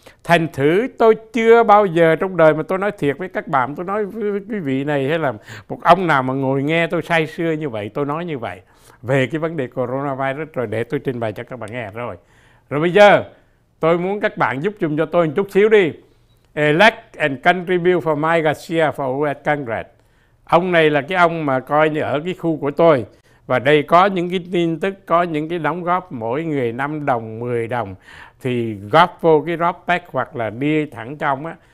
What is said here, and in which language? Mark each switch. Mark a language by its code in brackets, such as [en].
[vi] Thành thử tôi chưa bao giờ trong đời, mà tôi nói thiệt với các bạn, tôi nói với quý vị này hay là một ông nào mà ngồi nghe tôi say sưa như vậy, tôi nói như vậy về cái vấn đề coronavirus rồi để tôi trình bày cho các bạn nghe rồi. Rồi bây giờ tôi muốn các bạn giúp chung cho tôi một chút xíu đi. [en] Elect and contribute for Mike Garcia for US Congress. [vi] Ông này là cái ông mà coi như ở cái khu của tôi. Và đây có những cái tin tức, có những cái đóng góp mỗi người 5 đồng, 10 đồng. Thì góp vô cái drop pack hoặc là đi thẳng trong á.